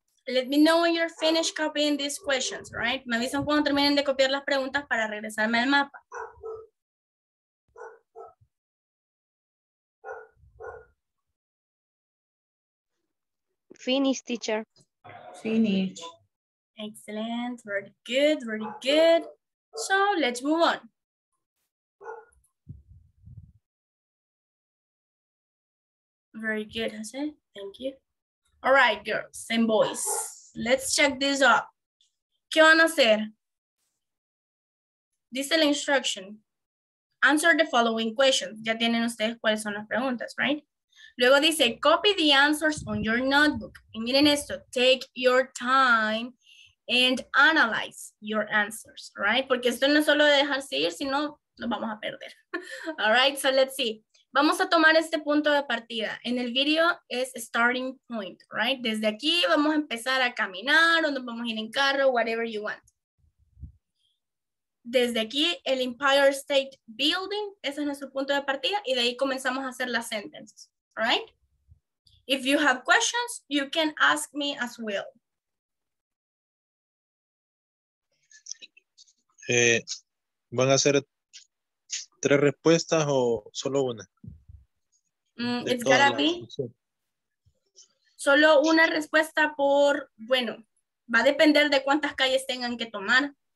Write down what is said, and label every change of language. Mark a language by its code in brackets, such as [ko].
[en] Let me know when you're finished copying these questions, right? [es] Me avisan cuando terminen de copiar las preguntas para regresarme al mapa. [en] Finish, teacher. Finish. Excellent. Very good. Very good. So let's move on. Very good, Jose. Thank you. All right, girls and boys. Let's check this up. [es] ¿Qué van a hacer? Dice la instruction. [en] Answer the following question. [es] Ya tienen ustedes cuáles son las preguntas, [en] right? [es] Luego dice, [en] copy the answers on your notebook. [es] Y miren esto, [en] take your time and analyze your answers, right? [es] Porque esto no es solo de dejarse ir, sino nos vamos a perder. [en] All right, so let's see. [es] Vamos a tomar este punto de partida. En el video es starting point, [en] right? [es] Desde aquí vamos a empezar a caminar o nos vamos a ir en carro, [en] whatever you want. [es] Desde aquí, el Empire State Building, ese es nuestro punto de partida y de ahí comenzamos a hacer las sentences, [en] right? If you have questions, you can ask me as well. [es] Van a hacer tres respuestas o solo una. [en] It's gotta be [es] solo una respuesta por, bueno, va a depender de cuántas calles tengan que tomar.